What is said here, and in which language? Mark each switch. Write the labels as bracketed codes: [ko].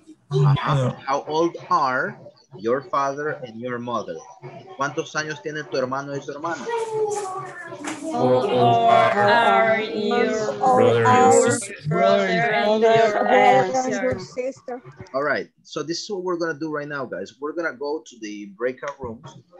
[en] How old are your father and your mother? [es] ¿Cuántos años tiene tu hermano y su hermana? [en] How old are your brother and your sister? All right, so this is what we're going to do right now, guys. We're going to go to the breakout rooms.